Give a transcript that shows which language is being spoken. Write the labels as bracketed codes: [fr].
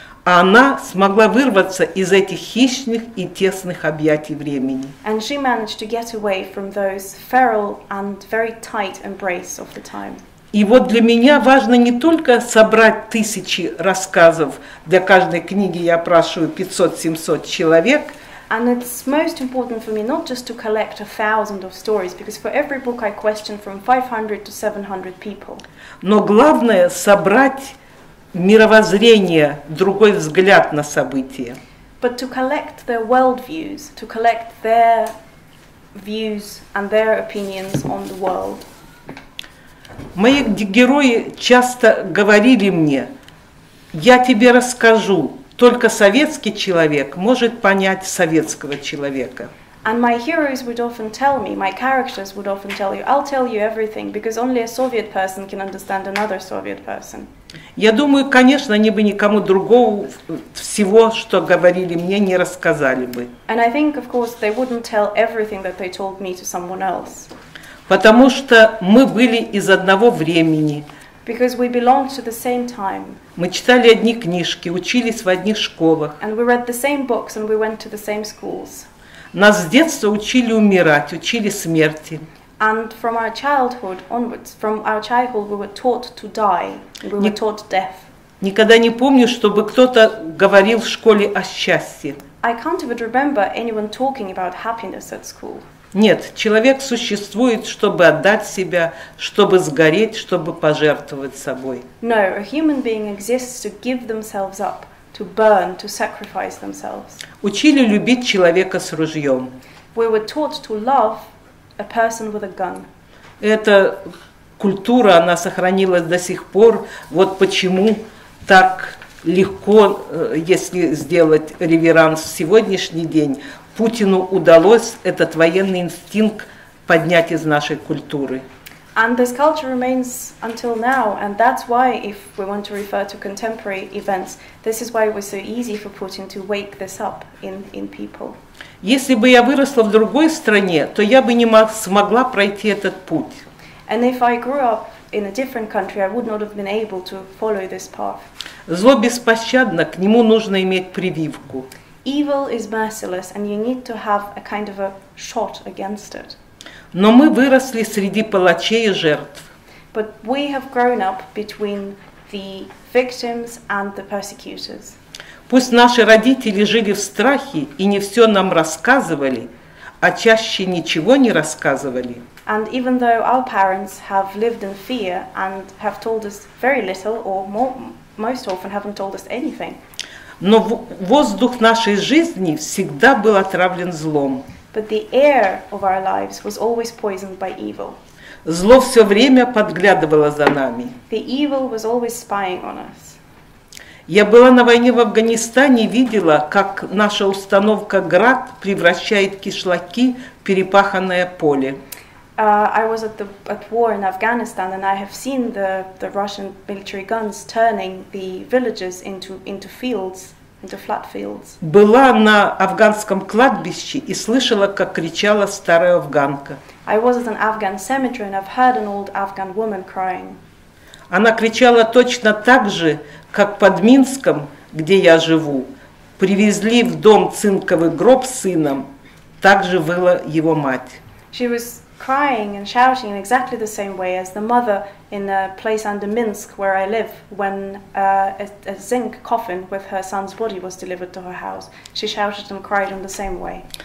[ru] А она смогла вырваться из этих хищных и тесных объятий времени. [en] And she managed to get away from those feral and very tight embrace of the time. [ru] И вот для меня важно не только собрать тысячи рассказов, для каждой книги я опрашиваю 500-700 человек. [en] And it's most important for me not just to collect 1,000 of stories, because for every book I question from 500 to 700 people. [ru] Но главное собрать мировоззрение, другой взгляд на события. [en] But to collect their worldviews, to collect their views and their opinions on the world. [ru] Мои герои часто говорили мне, я тебе расскажу, только советский человек может понять советского человека. [en] And my heroes would often tell me, my characters would often tell you, I'll tell you everything, because only a Soviet person can understand another Soviet person. [ru] Я думаю, конечно, они бы никому другому всего, что говорили мне, не рассказали бы. [en] And I think, of course, they wouldn't tell everything that they told me to someone else. [ru] Потому что мы были из одного времени. [en] Because we belonged to the same time. [ru] Мы читали одни книжки, учились в одних школах. [en] And we read the same books and we went to the same schools. [ru] Нас с детства учили умирать, учили смерти. [en] And from our childhood onwards, from our childhood we were taught to die, we were taught death. [ru] Никогда не помню, чтобы кто-то говорил в школе о счастье. [en] I can't even remember anyone talking about happiness at school. [ru] Нет, человек существует, чтобы отдать себя, чтобы сгореть, чтобы пожертвовать собой. [en] No, a human being exists to give themselves up, to burn, to sacrifice themselves. [ru] Учили любить человека с ружьем. [en] We were taught to love a person with a gun. [ru] Эта культура, она сохранилась до сих пор. Вот почему так легко, если сделать реверанс в сегодняшний день, Путину удалось этот военный инстинкт поднять из нашей культуры. [en] And this culture remains until now, and that's why, if we want to refer to contemporary events, this is why it was so easy for Putin to wake this up in people. [ru] Если бы я выросла в другой стране, то я бы не смогла пройти этот путь. [en] And if I grew up in a different country, I would not have been able to follow this path. [ru] Зло беспощадно, к нему нужно иметь прививку. [en] Evil is merciless, and you need to have a kind of a shot against it. [ru] Но мы выросли среди палачей и жертв. [en] But we have grown up between the victims and the persecutors. [ru] Пусть наши родители жили в страхе и не все нам рассказывали, а чаще ничего не рассказывали. [en] And even though our parents have lived in fear and have told us very little, or most often haven't told us anything. [ru] Но воздух нашей жизни всегда был отравлен злом. [en] But the air of our lives was always poisoned by evil. [ru] Зло все время подглядывало за нами. [en] The evil was always spying on us. [ru] Я была на войне в Афганистане и видела, как наша установка «Град» превращает кишлаки в перепаханное поле. [en] I was at war in Afghanistan, and I have seen the Russian military guns turning the villages into fields, into flat fields. [ru] Была на афганском кладбище и слышала, как кричала старая афганка. [en] I was at an Afghan cemetery, and I've heard an old Afghan woman crying. [ru] Она кричала точно так же, как под Минском, где я живу. Привезли в дом цинковый гроб с сыном. Так же выла его мать. [en] She was crying and shouting in exactly the same way as the mother in a place under Minsk where I live, when a zinc coffin with her son's body was delivered to her house. She shouted and cried in the same way.